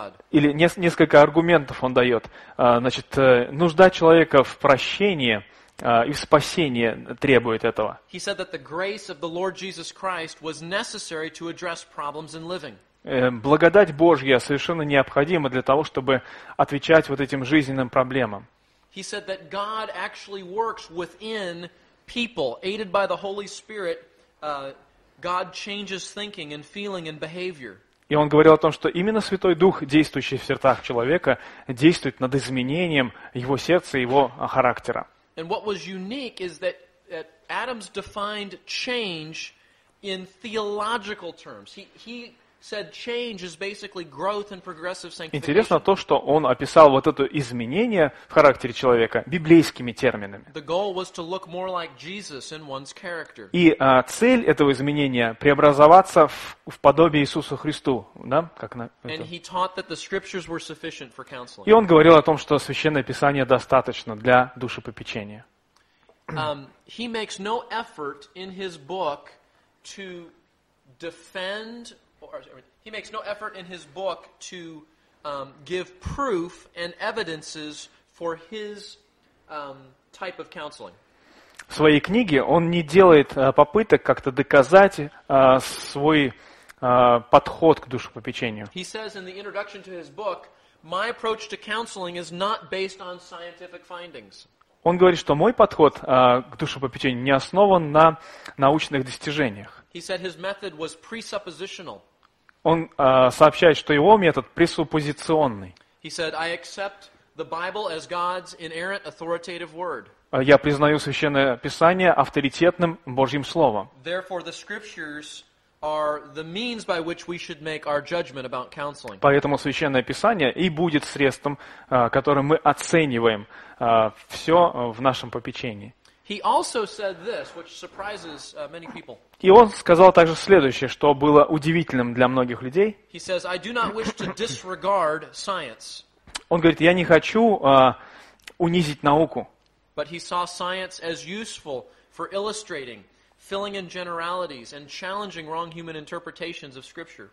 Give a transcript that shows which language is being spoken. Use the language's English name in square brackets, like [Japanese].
[Russian] Или несколько аргументов он дает. Значит, нужда человека в прощении и в спасении требует этого. [English] He said that the grace of the Lord Jesus Christ was necessary to address problems in living. [Russian] Благодать Божья совершенно необходима для того, чтобы отвечать вот этим жизненным проблемам. [English] He said that God actually works within people, aided by the Holy Spirit, God changes thinking and feeling and behavior. [Russian] И он говорил о том, что именно Святой Дух, действующий в сердцах человека, действует над изменением его сердца и его характера. [English] And what was unique is that Adams defined change in theological terms. He said change is basically growth and progressive sanctification. [Russian] Интересно то, что он описал вот это изменение в характере человека библейскими терминами. [English] The goal was to look more like Jesus in one's character. [Russian] И цель этого изменения – преобразоваться в подобие Иисуса Христу. Да? Как на это. [English] And he taught that the scriptures were sufficient for counseling. [Russian] И он говорил о том, что Священное Писание достаточно для душепопечения. [English] He makes no effort in his book to defend, or he makes no effort in his book to give proof and evidences for his type of counseling. [Russian] В своей книге он не делает попыток как-то доказать свой подход к душепопечению. [English] He says in the introduction to his book, "My approach to counseling is not based on scientific findings." [Russian] Он говорит, что мой подход к душепопечению не основан на научных достижениях. [English] He said his method was presuppositional. [Russian] Он сообщает, что его метод пресуппозиционный. [English] He said, I accept the Bible as God's inerrant authoritative word. [Russian] Я признаю Священное Писание авторитетным Божьим Словом. [English] Therefore, the scriptures are the means by which we should make our judgment about counseling. [Russian] Поэтому Священное Писание и будет средством, которым мы оцениваем все в нашем попечении. [English] He also said this, which surprises many people. [Russian] И он сказал также следующее, что было удивительным для многих людей. [English] He says, I do not wish to disregard science. [Russian] Он говорит, я не хочу унизить науку. [English] But he saw science as useful for illustrating, filling in generalities and challenging wrong human interpretations of scripture.